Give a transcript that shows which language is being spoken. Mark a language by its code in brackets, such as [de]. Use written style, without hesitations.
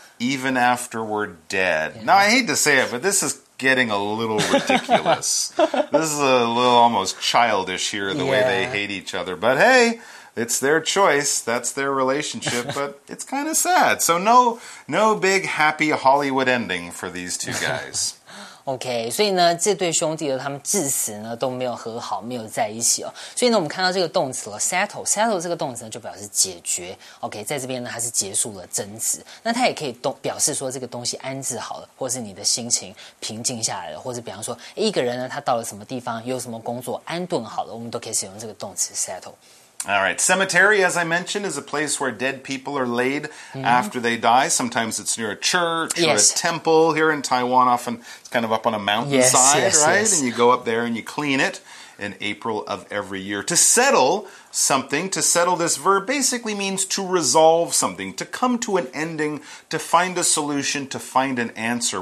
[en] Even after we're dead. Yeah. Now, I hate to say it, but this is getting a little ridiculous. This is a little almost childish here, the way they hate each other. But hey, it's their choice. That's their relationship. But it's kind of sad. So no big happy Hollywood ending for these two guys. [zh] OK, 所以呢这对兄弟他们至死呢都没有和好没有在一起哦。所以呢我们看到这个动词了 ,settle 这个动词呢就表示解决。 OK, 在这边呢它是结束了争执。那它也可以表示说这个东西安置好了或是你的心情平静下来了或是比方说一个人呢他到了什么地方有什么工作安顿好了我们都可以使用这个动词 settle。 [en] All right. Cemetery, as I mentioned, is a place where dead people are laid after they die. Sometimes it's near a church or a temple. Here in Taiwan, often it's kind of up on a mountainside, right? Yes. And you go up there and you clean it in April of every year. To settle something, to settle this verb, basically means to resolve something, to come to an ending, to find a solution, to find an answer.